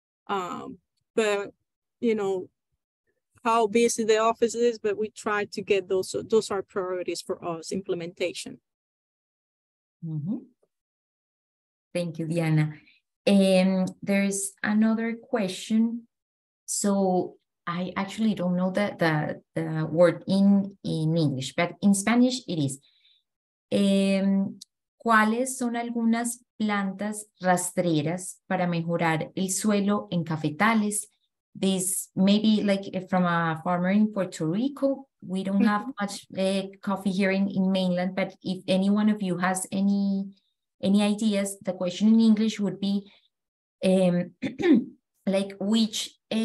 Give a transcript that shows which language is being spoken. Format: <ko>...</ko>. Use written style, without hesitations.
<en>But you know how busy the office is, but we try to get those. So those are priorities for us, implementation. Mm-hmm. Thank you, Diana. And there's another question. So I actually don't know the word in English, but in Spanish it is.</en> <es>¿Cuáles son algunas plantas rastreras para mejorar el suelo en cafetales?</es> <en>This maybe like from a farmer in Puerto Rico. We don't have much coffee here in mainland, but if any one of you has any ideas, the question in English would be, like which</en>